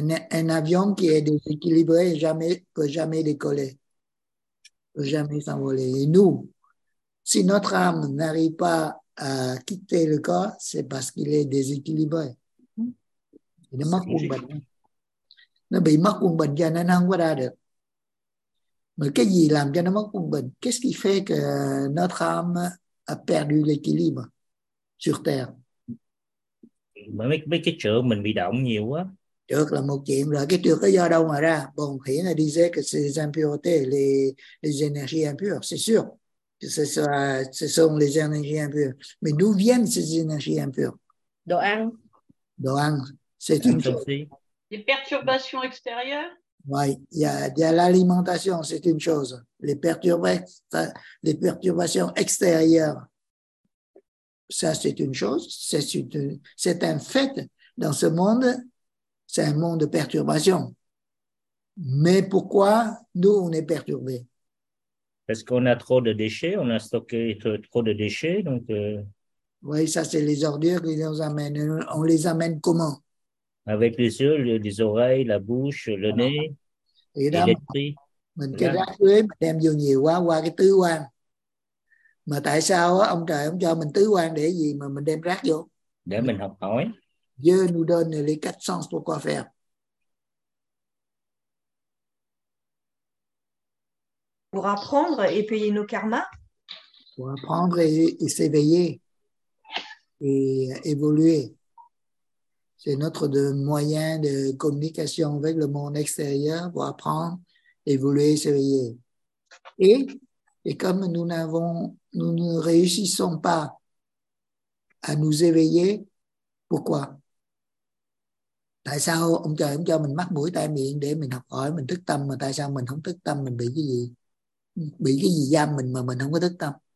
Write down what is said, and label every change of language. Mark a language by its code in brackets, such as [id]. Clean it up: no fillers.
[fr] un avion qui est déséquilibré peut jamais décoller, peut jamais s'envoler. Et nous, si notre âme n'arrive pas à quitter le corps, c'est parce qu'il est déséquilibré. Il est mort bon. [vi] Nó bị mất quân bình cho nên nó không có ra được. Mà cái gì làm cho nó mất quân bình? [fr] Qu'est-ce qui fait que notre âme a perdu l'équilibre sur terre? [vi] Mấy cái trượt mình bị động nhiều quá. Trượt là một chuyện rồi. Cái trượt đó do đâu mà ra? [fr] Bon, [vi] hiện là [fr] disait que ces impuretés, les énergies impures, c'est sûr. Ce sont les énergies impures. Mais d'où viennent ces énergies impures? [vi] Đồ ăn. [fr] C'est une chose. Les perturbations extérieures? Oui, il y a l'alimentation, c'est une chose. Les perturbations extérieures. Ça, c'est une chose, c'est un fait. Dans ce monde, c'est un monde de perturbation. Mais pourquoi nous, on est perturbés? Parce qu'on a trop de déchets, on a stocké trop de déchets. Donc, Oui, ça, c'est les ordures qui nous amènent. On les amène comment? Avec les yeux, les oreilles, la bouche, le nez, l'esprit. [vi] Mình cứ rác rưới, mình đem vô nhiều quá qua cái tứ quan. Mà tại sao ông trời không cho mình tứ quan để gì mà mình đem rác vô? Để mình học hỏi. [fr] Dieu nous donne les quatre sens pour quoi faire? Pour apprendre et payer nos karmas? Pour apprendre et s'éveiller et évoluer. C'est notre moyen de communication avec le monde extérieur pour apprendre, évoluer, s'éveiller. Et comme nous ne réussissons pas à nous éveiller, pourquoi? [vi] Tại sao ông trời ông cho mình mắt mũi tai miệng để mình học hỏi, mình thức tâm, mà tại sao mình không thức tâm, mình bị cái gì, bị cái gì giam mình mà mình không có thức tâm?